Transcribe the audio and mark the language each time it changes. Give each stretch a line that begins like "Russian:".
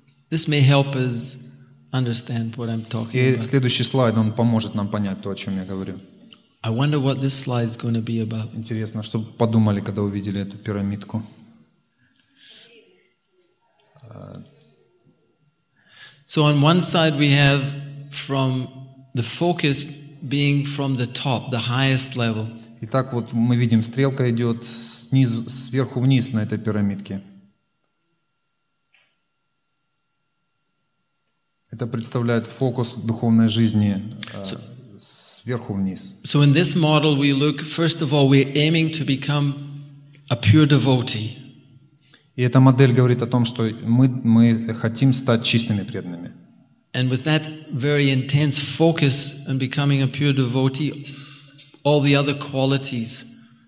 English: This may help us understand what I'm talking about.
Russian: И следующий слайд, он поможет нам понять то, о чем я говорю.
English: I wonder what this slide is going to be about.
Russian: Интересно, что подумали, когда увидели эту пирамидку?
English: So on one side we have from the focus being from the top, the highest level.
Russian: Итак, вот мы видим, стрелка идет снизу, сверху вниз на этой пирамидке. Это представляет фокус духовной жизни сверху вниз.
English: So in this model we look, first of all, we're aiming to become a pure devotee.
Russian: И эта модель говорит о том, что мы хотим стать чистыми преданными.
English: And with that very intense focus on becoming a pure devotee, all the other qualities,